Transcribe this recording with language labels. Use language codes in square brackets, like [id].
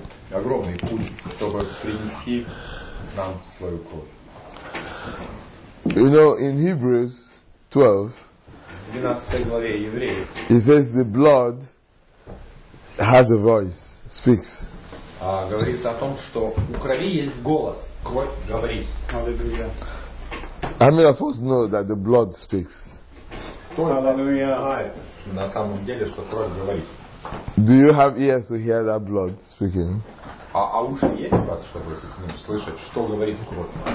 [ru] Огромный путь, чтобы принести нам свою кровь. [en] You know, in Hebrews 12, he says the blood has a voice, speaks. [ru] Говорится о том, что у крови есть голос, кровь говорит. [en] Hallelujah. I mean, of course, know that the blood speaks. Hallelujah. [ru] На самом деле, что кровь говорит. [en] Do you have ears to hear that blood speaking? [ru] А уши есть у вас, чтобы слышать, что говорит кровь?